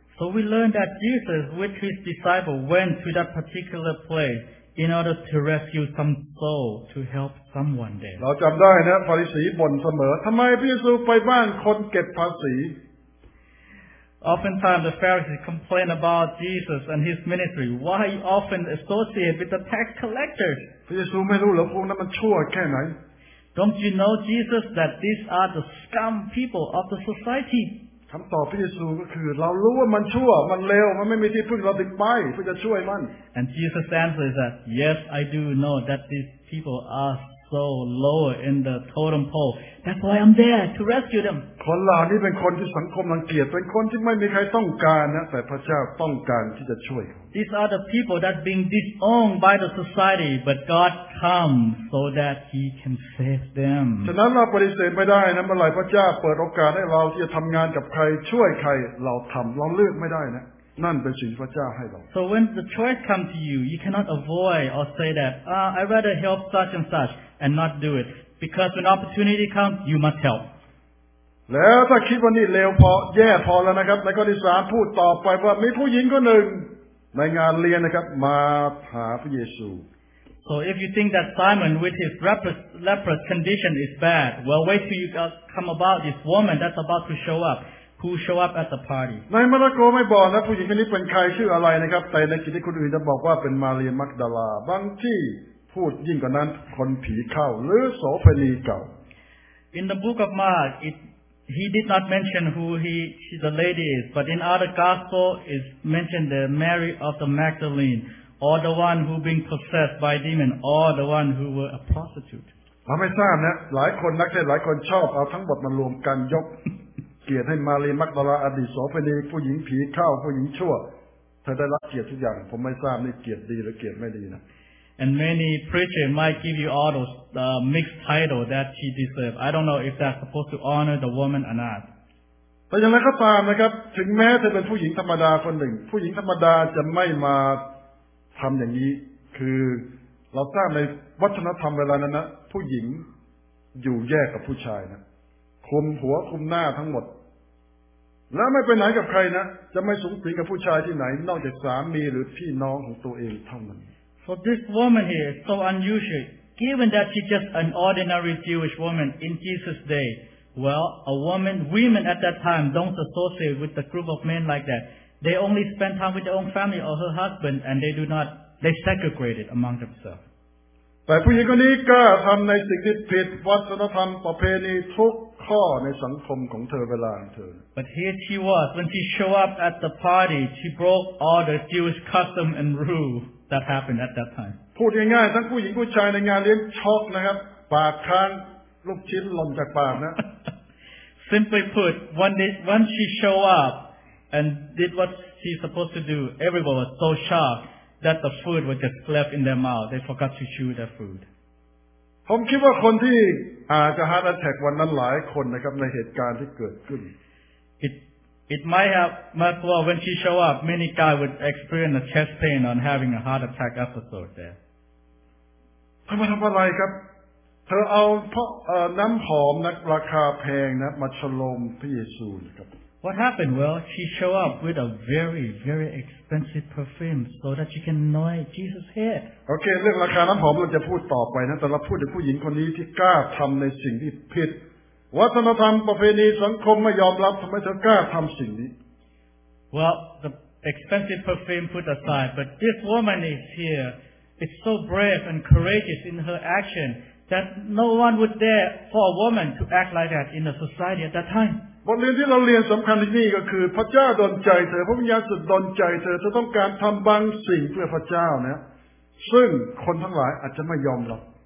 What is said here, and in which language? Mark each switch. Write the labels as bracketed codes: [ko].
[en] So we learn that Jesus with his disciples went to that particular place. In order to rescue some soul to help someone there. [th] เราจำได้นะฟาริสีบ่นเสมอทำไมพระเยซูไปบ้านคนเก็บภาษี [en] Oftentimes the Pharisees complain about Jesus and his ministry. Why he often associate with the tax collectors? [th] พระเยซูไม่รู้หรอกพวกนั้นมันชั่วแค่ไหน [en] Don't you know Jesus that these are the scum people of the society? [th] คำตอบพระเยซูก็คือเรารู้ว่ามันชั่วมันเลวมันไม่มีที่พึ่งเราติดไปเพื่อจะช่วยมัน [en] And Jesus answers that yes I do know that these people are so low in the totem pole that's why I'm there to rescue them [th] คนเหล่านี้เป็นคนที่สังคมรังเกียจเป็นคนที่ไม่มีใครต้องการนะแต่พระเจ้าต้องการที่จะช่วย [en] These are the people that being disowned by the society but God comes so that he can save them [th] ฉะนั้นเราปฏิเสธไม่ได้นะเมื่อไหร่พระเจ้าเปิดโอกาสให้เราที่จะทำงานกับใครช่วยใครเราทำเราเลือกไม่ได้นะนั่นเป็นสิ่งพระเจ้าให้เรา [en] So when the choice comes to you you cannot avoid or say that I'd rather help such and suchand not do it because when opportunity comes you must help [th] แล้วถ้าคิดว่านี่เลวพอแย่พอแล้วนะครับแล้วก็ที่สามพูดต่อไปว่ามีผู้หญิงคนหนึ่งในงานเลี้ยงนะครับมาหาพระเยซู [en] So if you think that Simon with his leprous condition is bad well wait till you come about this woman that's about to show up who show up at the party [th] ในมาระโกไม่บอกนะผู้หญิงคนนี้เป็นใครชื่ออะไรนะครับแต่ในคิดที่คนอื่นจะบอกว่าเป็นมาเรียมักดาลาบางที่พูดยิ่งกว่านั้นคนผีเข้าหรือโสเภณีเก่า [en] In the book of Mark he did not mention who the lady is but in other gospel is mentioned the Mary of the Magdalene or the one who being possessed by demon or the one who were a prostitute [th] เราไม่ทราบนะหลายคนนักเทศหลายคนชอบเอาทั้งหมดมารวมกันยกเกียรติให้มารีมักดาลาอดีตโสเภณีผู้หญิงผีเข้าผู้หญิงชั่วเธอได้รับเกียรติทุกอย่างผมไม่ทราบนี่เกียรติดีหรือเกียรติไม่ดีนะ [en] And many preachers might give you all those mixed titles that she deserves. I don't know if that's supposed to honor the woman or not. [th] แต่อย่างไรก็ตามนะครับถึงแม้เธอเป็นผู้หญิงธรรมดาคนหนึ่งผู้หญิงธรรมดาจะไม่มาทำอย่างนี้คือเราทราบในวัฒนธรรมเวลานั้นนะผู้หญิงอยู่แยกกับผู้ชายนะคลุมหัวคลุมหน้าทั้งหมดและไม่ไปไหนกับใครนะจะไม่สูงสิงกับผู้ชายที่ไหนนอกจากสามีหรือพี่น้องของตัวเองเท่านั้น [en] So this woman here is so unusual. Given that she's just an ordinary Jewish woman in Jesus' day, well, women at that time don't associate with the group of men like that. They only spend time with their own family or her husband, and they do not they segregated among themselves. [th] แต่ผู้หญิงคนนี้กล้าทำในสิ่งที่ผิดวัฒนธรรมประเพณีทุกข้อในสังคมของเธอเวลาของเธอ [en] But here she was when she showed up at the party she broke all the Jewish custom and rule that happened at that time [th] พูดง่ายๆทั้งผู้หญิงผู้ชายในงานเลี้ยงช็อกนะครับปากค้างลูกชิ้นหล่นจากปากนะ [en] Simply put when she showed up and did what she's supposed to do everyone was so shocked that the food was just left in their mouth they forgot to chew their food [th] ผมคิดว่าคนที่อาจจะ heart attack วันนั้นหลายคนนะครับในเหตุการณ์ที่เกิดขึ้น [en] it might have might well when she show up many guys would experience a chest pain on having a heart attack episode there [th] ทำไมทำอะไรครับเธอเอาเพราะน้ำหอมนักราคาแพงนะมาชโลมพระเยซูครับ [en] What happened? Well, she showed up with a very, very expensive perfume so that she can anoint Jesus' head. [th] Okay, เรื่องราคาน้ำหอมเราจะพูดต่อไปนะแต่เราพูดถึงผู้หญิงคนนี้ที่กล้าทำในสิ่งที่ผิดวัฒนธรรมประเพณีสังคมไม่ยอมรับทำไมเธอกล้าทำสิ่งนี้ [en] Well, the expensive perfume put aside, but this woman is here. It's so brave and courageous in her action. That no one would dare for a woman to act like that in a society at that time. [th] บทเรียนที่เราเรียนสำคัญที่นี่ก็คือพระเจ้าดลใจเธอพระวิญญาณสุดดลใจเธอเธอต้องการทำบางสิ่งเพื่อพระเจ้านะซึ่งคนทั้งหลายอาจจะไม่ยอมหรอก